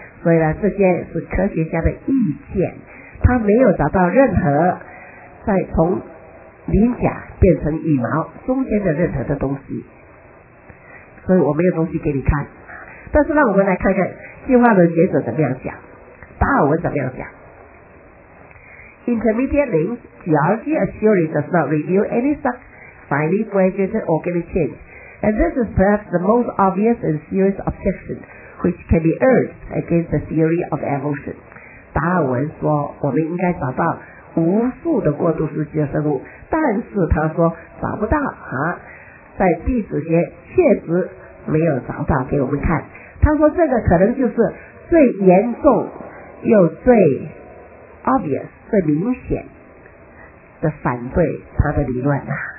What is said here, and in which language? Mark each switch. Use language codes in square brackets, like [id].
[zh] 所以呢这些是科学家的意见，他没有找到任何在从鳞甲变成羽毛中间的任何的东西，所以我没有东西给你看。但是让我们来看看进化论学者怎么样讲，达尔文怎么样讲。 [en] Intermediate links geology assuredly does not reveal any such finely graduated organic change, and this is perhaps the most obvious and serious objection which can be urged against the theory of evolution。 [zh] 达尔文说我们应该找到无数的过渡时期的生物，但是他说找不到啊，在地质学确实没有找到给我们看。他说这个可能就是最严重又最 obvious 最明显的反对他的理论啊。